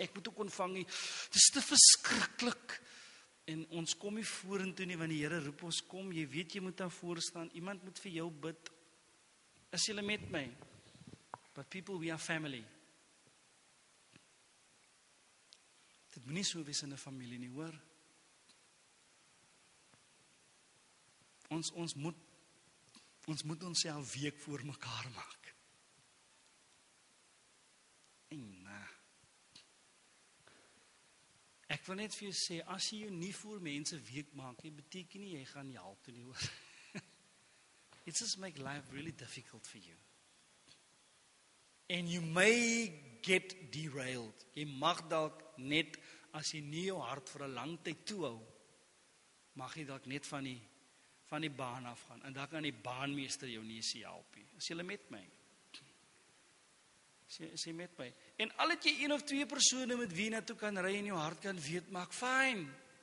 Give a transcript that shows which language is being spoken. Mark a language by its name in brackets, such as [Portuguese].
[Afrikaans] Ek moet ook ontvang nie. Dis te verskriklik. En ons kom nie vorentoe nie, want die Here roep ons kom. Jy weet jy moet daar voor staan. Iemand moet vir jou bid. Is jy met my? [English] But people, we are family. [Afrikaans] Dit moet nie so wees in 'n familie nie, hoor. Ons moet onsself week voor mekaar maak. Ek wil net vir jou sê, as jy jou nie voor mense week maak, jy beteken nie, jy gaan jou toe nie hoor. [English] It just make life really difficult for you. And you may get derailed. [Afrikaans] Jy mag dalk net, as jy nie jou hart vir 'n lang tyd toehou, mag jy dalk net van die baan afgaan, en daar kan die baanmeester jou nie sê helpie. Is jy met my? Is jy met my? En al het jy een of twee persone met wie jy naartoe kan ry en jou hart kan weet, maak fijn.